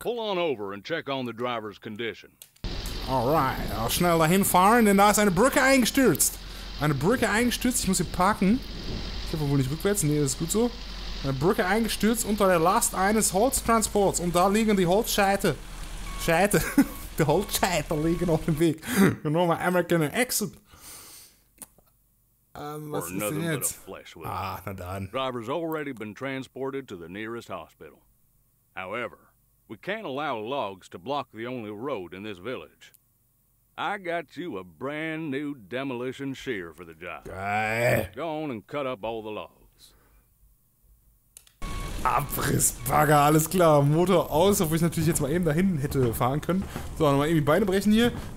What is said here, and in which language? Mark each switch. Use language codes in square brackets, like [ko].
[en] Pull on over and check on the driver's condition. Alright, I'll [de] schnell dahin fahren, denn da ist eine Brücke eingestürzt. Eine Brücke eingestürzt, ich muss hier parken. Ich hoffe wohl nicht rückwärts, nee, das ist gut so. Eine Brücke eingestürzt unter der Last eines Holztransports. Und da liegen die Holzscheite. Scheite. Die Holzscheite liegen auf dem Weg. Genommen, American Exit. Was ist denn jetzt? Ah, na dann. [en] Driver's already been transported to the nearest hospital. However, we can't allow logs to block the only road in this village. I got you a brand new demolition shear for the job. Go on and cut up all the logs. [de] Abrissbagger, alles klar. Motor aus, obwohl ich natürlich jetzt mal eben da hinten hätte fahren können. So, nochmal irgendwie Beine brechen hier.